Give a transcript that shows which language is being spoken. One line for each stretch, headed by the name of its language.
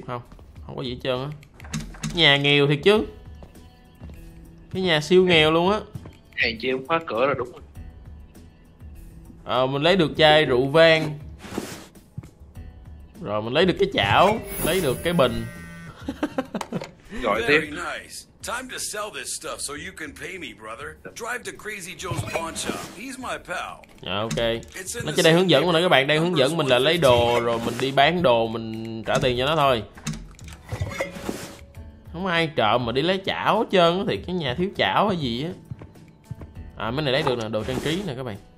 Vietnamese: Không, không có gì hết trơn á. Nhà nghèo thiệt chứ. Cái nhà siêu nghèo luôn á. Hèn chi không khóa cửa là đúng rồi. Ờ, mình lấy được chai rượu vang. Rồi mình lấy được cái chảo. Lấy được cái bình. Rồi tiếp.
English: Very nice. Time to sell this stuff so you can pay me, brother. Drive to Crazy Joe's pawn shop. He's my pal. À, ok.
Vietnamese: Nó chỉ đang hướng dẫn mà nè các bạn, đang hướng dẫn mình là lấy đồ rồi mình đi bán đồ, mình trả tiền cho nó thôi. Không ai trộm mà đi lấy chảo hết trơn, thiệt cái nhà thiếu chảo hay gì á. À, mấy này lấy được nè, đồ trang trí nè các bạn.